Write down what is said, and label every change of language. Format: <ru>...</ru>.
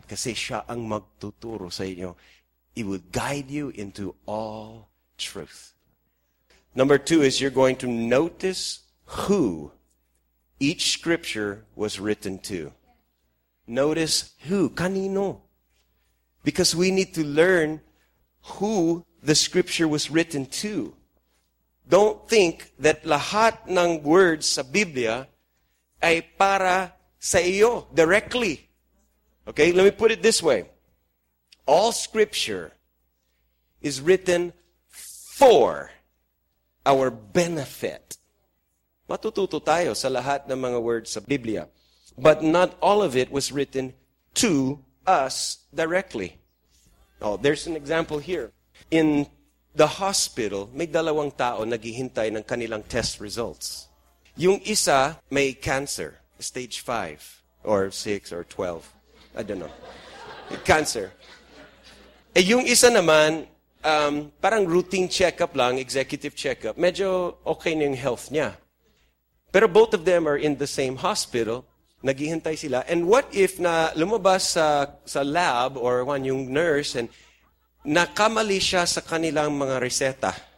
<tl>Kasi siya ang magtuturo sa inyo.</tl> <en>He will guide you into all truth. Number two is you're going to notice who each scripture was written to. Notice who, kanino. Because we need to learn who the scripture was written to. Don't think that</en> <tl>lahat ng words sa Biblia ay para sa iyo directly.</tl> <en>Okay, let me put it this way. All scripture is written for our benefit.</en> <tl>Matututo tayo sa lahat ng mga words sa Biblia.</tl> <en>But not all of it was written to us directly. Oh, there's an example here. In the hospital,</en> <tl>may dalawang tao naghihintay ng kanilang test results. Yung isa may cancer, stage 5 or 6 or 12.</tl> <en>I don't know.</en> <tl>Cancer. E yung isa naman, parang routine checkup lang, executive checkup. Medyo okay na yung health niya.</tl> <en>Pero both of them are in the same hospital.</en> <tl>Naghihintay sila. And what if na lumabas sa lab or yung nurse and nakamali siya sa kanilang mga reseta?</tl>